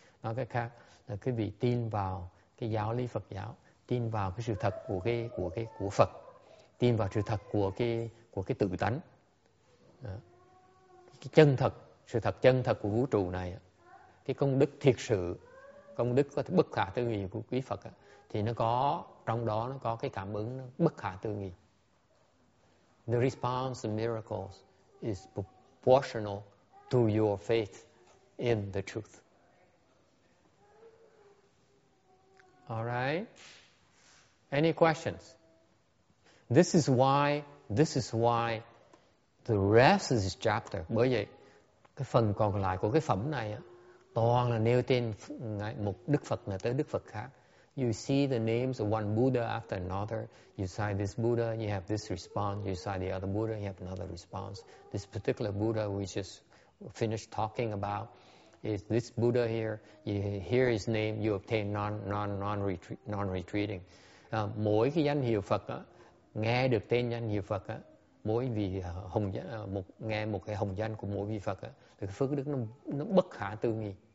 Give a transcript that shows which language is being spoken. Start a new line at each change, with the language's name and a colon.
Vietnamese: Nói cách khác là quý vị tin vào cái giáo lý Phật giáo, tin vào cái sự thật của Phật, tin vào sự thật của cái tự tánh, cái chân thật, sự thật chân thật của vũ trụ này. Cái công đức thiệt sự, công đức có bất khả tư nghị của quý Phật á, thì nó có trong đó nó có cái cảm ứng bất khả tư nghị.
English: The response of miracles is proportional to your faith in the truth. All right. Any questions? This is why the rest of this chapter.
Vietnamese: Bởi vậy, cái phần còn lại của cái phẩm này á, toàn là nêu tên một Đức Phật này tới Đức Phật khác.
English: You see the names of one Buddha after another. You cite this Buddha, you have this response. You cite the other Buddha, you have another response. This particular Buddha we just finished talking about is this Buddha here. You hear his name, you obtain non-retreating.
Vietnamese: Mỗi cái danh hiệu Phật á, nghe được tên danh hiệu Phật á, mỗi vị hồng một nghe một cái hồng danh của mỗi vị Phật á, thì cái phước đức nó bất khả tư nghị.